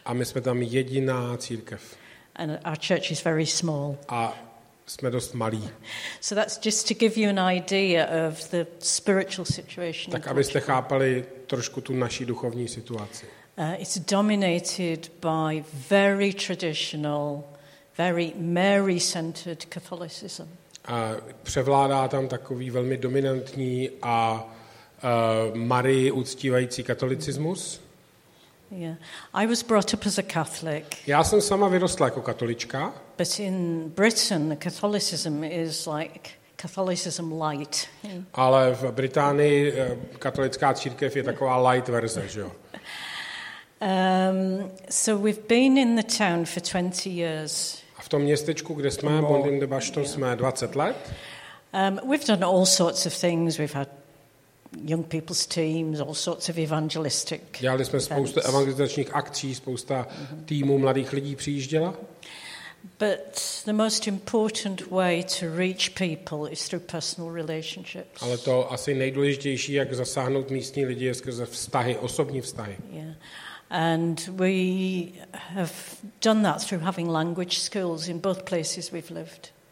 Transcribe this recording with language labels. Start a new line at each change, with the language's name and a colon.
Czech: A my jsme tam jediná církev.
English: And our church is very small.
Czech: A jsme dost malí.
English: So that's just to give you an idea of the spiritual situation.
Czech: Tak abyste chápali trošku tu naší duchovní situaci.
English: It's dominated by very traditional, very Mary-centered Catholicism.
Czech: A převládá tam takový velmi dominantní a Marii uctívající katolicismus.
English: Yeah. I was brought up as a Catholic.
Czech: Já jsem sama vyrostla jako katolička.
English: But in Britain the Catholicism is like Catholicism light.
Czech: Ale v Británii katolická církev je taková light verze, že jo.
English: So we've been in the town for 20 years.
Czech: V tom městečku, kde jsme, Mondim de Basto, jsme 20 let.
English: We've done all sorts of things. We've had young people's teams, all sorts of evangelistic.
Czech: Dělali jsme spoustu evangelizačních akcí, spousta týmů mladých lidí přijížděla.
English: But the most important way to reach people is through personal relationships.
Czech: Ale to asi nejdůležitější, jak zasáhnout místní lidi, je skrze vztahy, osobní vztahy.
English: Yeah. And we have done that through having language schools in both places we've lived.